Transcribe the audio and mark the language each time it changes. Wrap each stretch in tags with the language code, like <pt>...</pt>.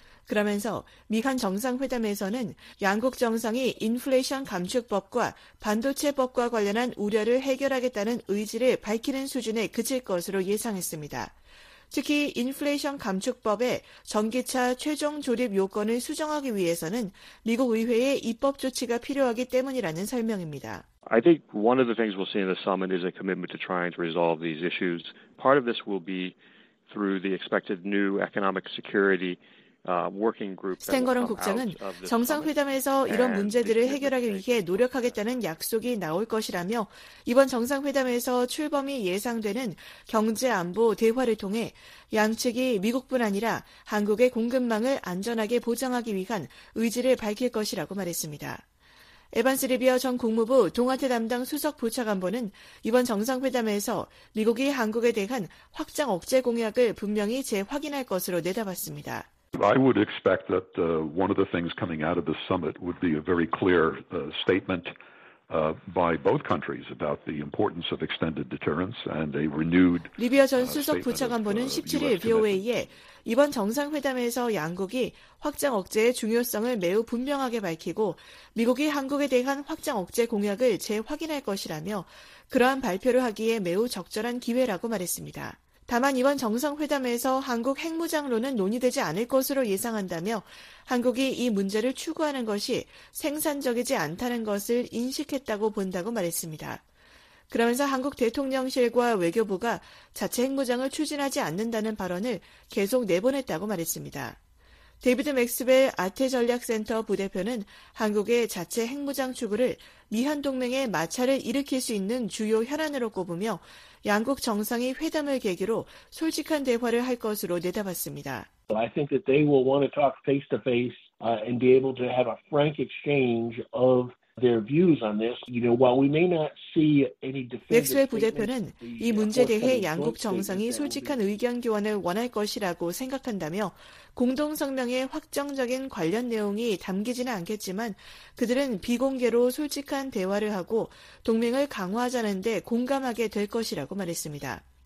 <ko>그러면서 미한 정상회담에서는 양국 정상이 인플레이션 감축법과 반도체법과 관련한 우려를 해결하겠다는 의지를 밝히는 수준에 그칠 것으로 예상했습니다. 특히 인플레이션 감축법에 전기차 최종 조립 요건을 수정하기 위해서는 미국 의회의 입법 조치가 필요하기 때문이라는 설명입니다.</ko> <en>I think one of the things we'll see in the summit is a commitment to trying to resolve these issues. Part of this will be through the expected new economic security</en> <ko>스탱거런 국장은 정상회담에서 이런 문제들을 해결하기 위해 노력하겠다는 약속이 나올 것이라며 이번 정상회담에서 출범이 예상되는 경제안보 대화를 통해 양측이 미국뿐 아니라 한국의 공급망을 안전하게 보장하기 위한 의지를 밝힐 것이라고 말했습니다. 에반스 리비어 전 국무부 동아태 담당 수석 부차관보는 이번 정상회담에서 미국이 한국에 대한 확장 억제 공약을 분명히 재확인할 것으로 내다봤습니다.</ko> <en>I would expect that one of the things coming out of the summit would be a very clear statement by both countries about the importance of extended deterrence and a renewed</en> <ko>리비아 전 수석 부차관보는 17일 VOA에 이번 정상회담에서 양국이 확장 억제의 중요성을 매우 분명하게 밝히고 미국이 한국에 대한 확장 억제 공약을 재확인할 것이라며 그러한 발표를 하기에 매우 적절한 기회라고 말했습니다. 다만 이번 정상회담에서 한국 핵무장론은 논의되지 않을 것으로 예상한다며 한국이 이 문제를 추구하는 것이 생산적이지 않다는 것을 인식했다고 본다고 말했습니다. 그러면서 한국 대통령실과 외교부가 자체 핵무장을 추진하지 않는다는 발언을 계속 내보냈다고 말했습니다. 데이비드 맥스벨 아태전략센터 부대표는 한국의 자체 핵무장 추구를 미한동맹의 마찰을 일으킬 수 있는 주요 현안으로 꼽으며 양국 정상이 회담을 계기로 솔직한 대화를 할 것으로 내다봤습니다.</ko> <en>I think that they will want to talk face-to-face and be able to have a frank exchange of their views on this. You know, while we may not see any definitive</en> <ko>맥스벨 부대표는 이 문제에 대해 양국 정상이 솔직한 의견 교환을 원할 것이라고 생각한다며 공동성명에 확정적인 관련 내용이 담기지는 않겠지만 그들은 비공개로 솔직한 대화를 하고 동맹을 강화하자는 데 공감하게 될 것이라고 말했습니다.</ko>